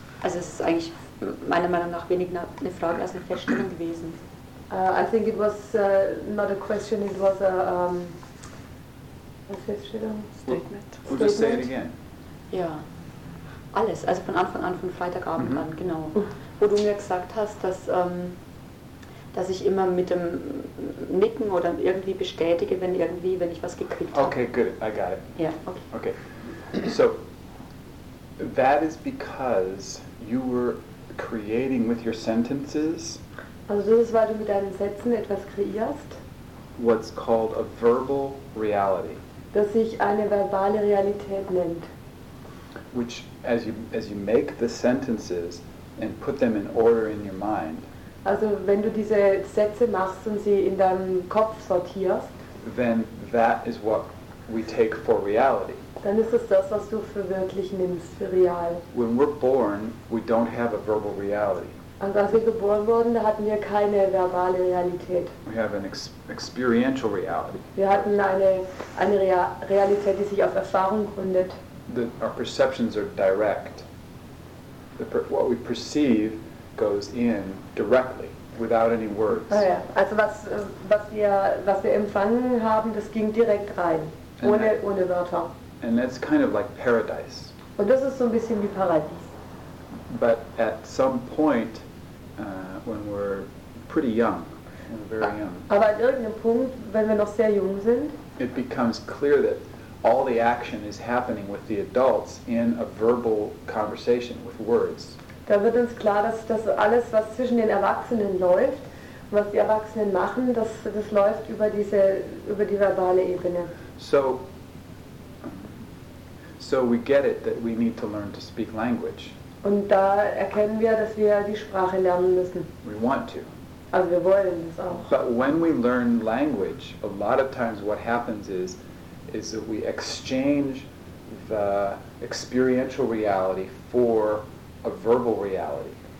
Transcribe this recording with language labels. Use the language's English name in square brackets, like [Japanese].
[German] Also, es ist eigentlich meiner Meinung nach weniger eine Frage als eine Feststellung gewesen. [English] I think it was not a question, it was a Feststellung. Statement. We'll just say it again. [German] Ja. Alles, also von Anfang an, von Freitagabend an, genau. Wo du mir gesagt hast, dass, dass ich immer mit dem Nicken oder irgendwie bestätige, wenn irgendwie, wenn ich was gekriegt habe. [English] Okay, good, I got it. Yeah, okay. Okay, so that is because you were creating with your sentences. [German] Also das ist, weil du mit deinen Sätzen etwas kreierst. [English] What's called a verbal reality. [German] Das sich eine verbale Realität nennt. [English] Which, as you make the sentences and put them in order in your mind, [German] also wenn du diese Sätze machst und sie in deinem Kopf sortierst, [English] then that is what we take for reality. [German] Dann ist es das, was du für wirklich nimmst, für real. [English] When we're born, we don't have a verbal reality. [German] Und als wir geboren wurden, da hatten wir keine verbale Realität. [English] We have an experiential reality. [German] Wir hatten eine Realität, die sich auf Erfahrung gründet. [English] Our perceptions are direct. What we perceive goes in directly, without any words. [German] Oh ja. Also was wir empfangen haben, das ging direkt rein, ohne Wörter. [English] And that's kind of like paradise. [German] Und das ist so ein bisschen wie Paradies. [English] But at some point, when we're pretty young, [German] aber an irgendeinem Punkt, wenn wir noch sehr jung sind, [English] it becomes clear that all the action is happening with the adults in a verbal conversation with words. [German] Da wird uns klar, dass alles, was zwischen den Erwachsenen läuft, was die Erwachsenen machen, das läuft über die verbale Ebene. [English] So we get it that we need to learn to speak language. [German] Und da erkennen wir, dass wir die Sprache lernen müssen. [English] We want to. [German] Also wir wollen das auch. [English] But when we learn language, a lot of times what happens is that we exchange the experiential reality for a verbal reality.